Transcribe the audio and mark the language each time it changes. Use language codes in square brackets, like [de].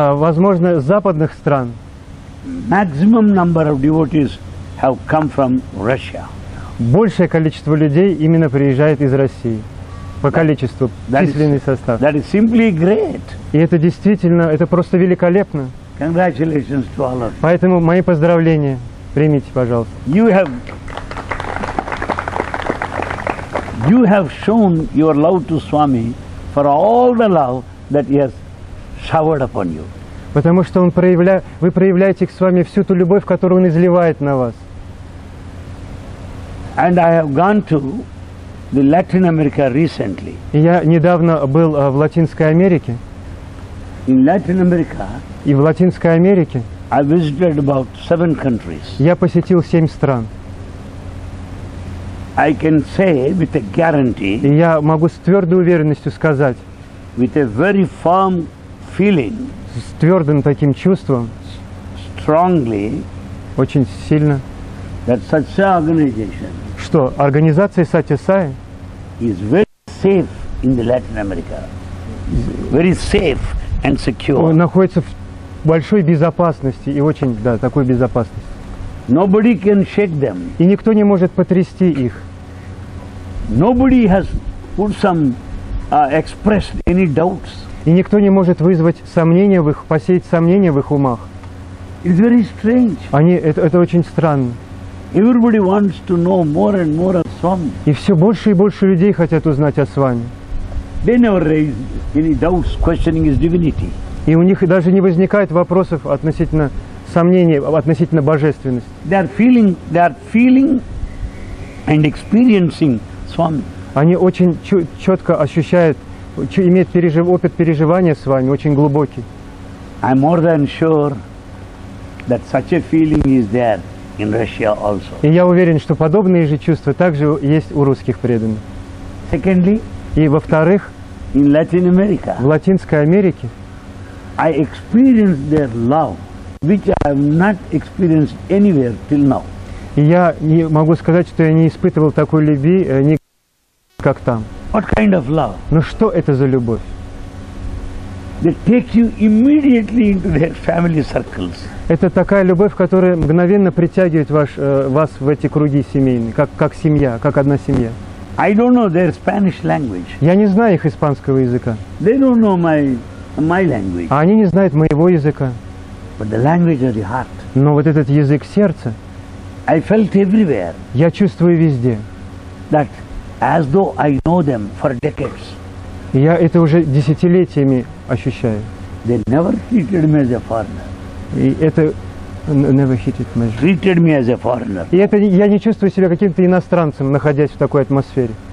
[ru] возможно, с западных стран, [en] maximum number of devotees have come from Russia. [ru] Большее количество людей именно приезжает из России. По количеству, численный состав. [en] That is simply great. [ru] И это действительно, это просто великолепно. [en] Congratulations to all of you. [ru] Поэтому мои поздравления. Примите, пожалуйста. [en] You have shown your love to Swami for all the love that he has showered upon you. [ru] Потому что он вы проявляете к Свами всю ту любовь, которую он изливает на вас. [en] And I have gone to the Latin America recently. [ru] Я недавно был в Латинской Америке. [en] In Latin America. [ru] И в Латинской Америке. [en] I visited about 7 countries. [ru] Я посетил 7 стран. [en] I can say with a guarantee. [ru] И я могу с твердой уверенностью сказать. [en] With a very firm feeling. [ru] С твердым таким чувством. [en] Strongly. [ru] Очень сильно. [en] That such an organization. [ru] Что организация Сати Саи [en] is very safe in the Latin America. Very safe and secure. [ru] Находится в большой безопасности и очень, да, такой безопасности. [en] Nobody can shake them. [ru] И никто не может потрясти их. [en] Nobody has put some expressed any doubts. [ru] И никто не может вызвать сомнения в их, посеять сомнения в их умах. [en] It's very strange. [ru] Это очень странно. [en] Everybody wants to know more and more of Swami. [ru] И все больше и больше людей хотят узнать о Свами. [en] They never raise any doubts questioning his divinity. [ru] И у них даже не возникает вопросов относительно сомнений относительно божественности. [en] They are feeling and experiencing Swami. [ru] Они очень четко ощущают, имеют опыт переживания Свами, очень глубокий. [en] I'm more than sure that such a feeling is there. In Russia also. [ru] И я уверен, что подобные же чувства также есть у русских преданных. [en] Secondly, [ru] и во-вторых, [en] in Latin America, [ru] в Латинской Америке, [en] I experienced their love, which I have not experienced anywhere till now. [ru] И я не могу сказать, что я не испытывал такой любви ни как там. [en] What kind of love? [ru] Но что это за любовь? [en] They take you immediately into their family circles. [ru] Это такая любовь, которая мгновенно притягивает вас в эти круги семейные, как семья, как одна семья. [en] I don't know their Spanish language. [ru] Я не знаю их испанского языка. [en] They don't know my language. [ru] А они не знают моего языка. [en] But the language of the heart. [ru] Но вот этот язык сердца. [en] I felt everywhere. [ru] Я чувствую везде. [en] That as though I know them for decades. [ru] Я это уже десятилетиями ощущаю. [en] They never treated me as a foreigner. [ru] И это [en] never hated me. Treated me as a foreigner. [ru] И это я не чувствую себя каким-то иностранцем, находясь в такой атмосфере.